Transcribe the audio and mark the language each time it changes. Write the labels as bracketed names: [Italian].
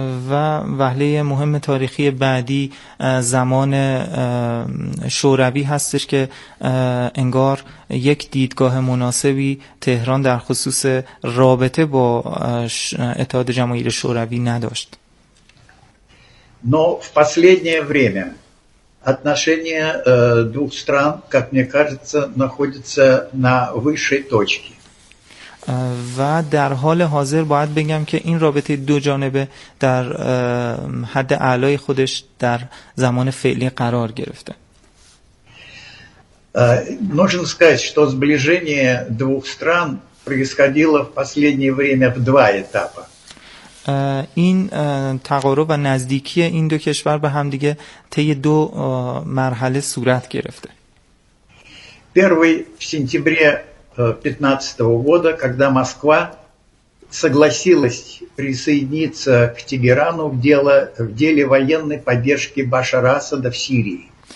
[Persian] و وهله مهم تاریخی بعدی زمان شوروی هستش که انگار یک دیدگاه مناسبی تهران در خصوص رابطه با اتحاد جماهیر شوروی نداشت. [Russian] Но в последнее время отношения двух стран, как мне кажется, находятся на высшей точке. [Persian] و در حال حاضر باید بگم که این رابطه دو جانبه در حد اعلای خودش در زمان فعلی قرار گرفته. [Russian] Нужно сказать, что сближение двух стран происходило в последнее время в два этапа. [Persian] این تقارب و نزدیکی این دو کشور به هم دیگه طی دو مرحله صورت گرفته. [Russian] Первый в сентябре 15-го года, когда Москва согласилась присоединиться к Тегерану в деле военной поддержки Башара Асада в Сирии.